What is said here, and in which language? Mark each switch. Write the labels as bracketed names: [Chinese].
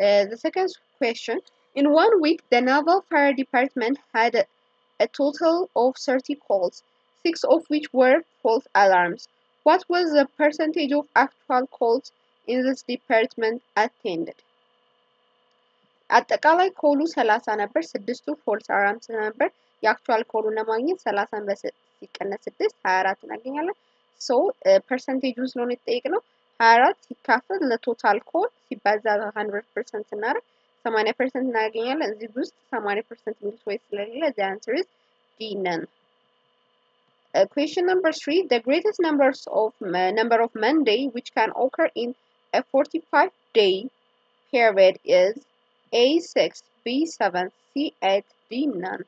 [English] The second question, in 1 week the Naval Fire Department had a total of 30 calls, 6 of which were false alarms. What was the percentage of actual calls in this department attended? [Amharic] አጠቃላይ ኮሉ 30 ነበር 6ቱ ፎልስ አላርምስ ነበር የአክቹዋል ኮሉ ለማግኘት 30ን በሲቀነስ 6 24 እናገኛለን ሶ ፐርሰንቴጁን ስለሆነ ጠይቀነው 24 ሲካፈል ለቶታል ኮል ሲባዛ በ100% እናረግ 80% እናገኛለን እዚህ ውስጥ 80% ምንት ወይ ስለሌለ [English] the answer is D none. Question number 3, the greatest numbers of number of Monday which can occur in a 45 day period is A6, B7, C8, D9.